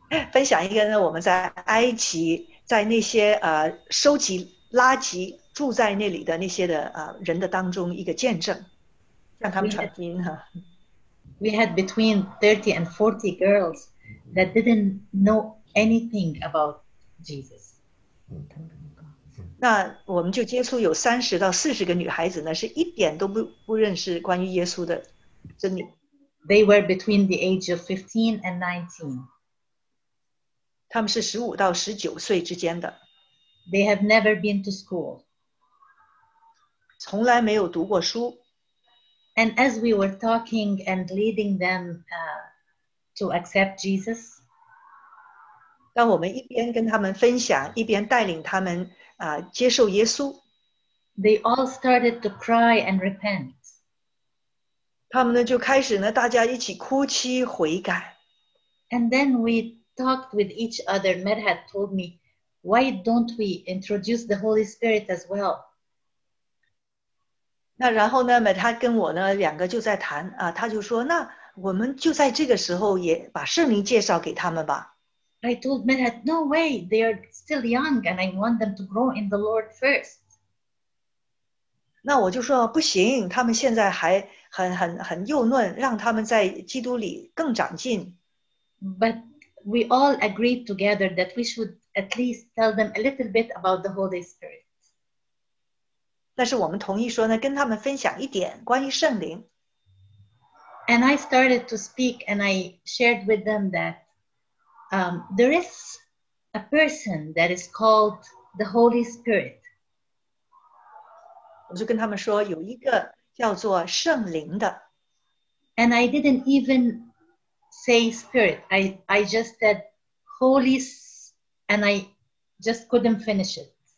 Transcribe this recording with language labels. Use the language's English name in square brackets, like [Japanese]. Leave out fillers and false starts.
[Chinese] 分享一个呢，我们在埃及，在那些收集垃圾住在那里的那些的人的当中一个见证，让他们传福音哈。 [English] We had between 30 and 40 girls that didn't know anything about Jesus. [Chinese] 那我们就接触有30-40个女孩子呢，是一点都不认识关于耶稣的真理。 [English] They were between the age of 15 and 19. [Chinese] 他们是15-19岁之间的。 [English] They have never been to school. [Chinese] 从来没有读过书。 [English] And as we were talking and leading them to accept Jesus, [Chinese] 当我们一边跟他们分享，一边带领他们。接受耶稣。 [English] They all started to cry and repent. [Chinese] 他们呢就开始呢，大家一起哭泣悔改。 [English] And then we talked with each other. Medhat told me, why don't we introduce the Holy Spirit as well? [Chinese] 那然后呢, Medhat 跟我呢, 两个就在谈, 啊, 他就说, 那我们就在这个时候也把圣灵介绍给他们吧。 [English] I told Medhat, no way, they are still young and I want them to grow in the Lord first. [Chinese] 那我就说, 不行, 他们现在还很幼嫩, 让他们在基督里更长进。 [English] But we all agreed together that we should at least tell them a little bit about the Holy Spirit. [Chinese] 但是我们同意说呢, 跟他们分享一点关于圣灵。 [English] And I started to speak and I shared with them that there is a person that is called the Holy Spirit. [Chinese] 我就跟他们说, 有一个叫做圣灵的。 [English] And I didn't even say spirit. I just said holy, and I just couldn't finish it.